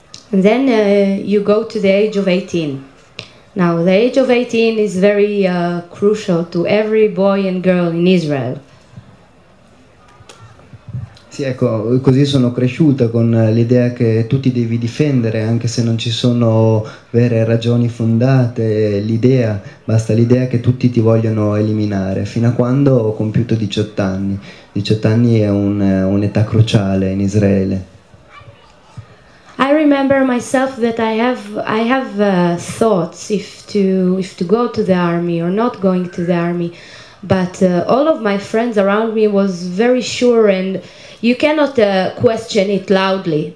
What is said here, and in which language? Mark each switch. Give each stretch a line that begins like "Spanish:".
English: And then you go to the age of 18. Now, the age of 18 is very crucial to every boy and girl in Israel.
Italian: Sì, ecco, così sono cresciuta con l'idea che tu ti devi difendere anche se non ci sono vere ragioni fondate, basta l'idea che tutti ti vogliono eliminare, fino a quando ho compiuto 18 anni. 18 anni è un'età cruciale in Israele.
English: I remember myself that I have thoughts if to go to the army or not going to the army, but all of my friends around me was very sure, and you cannot question it loudly.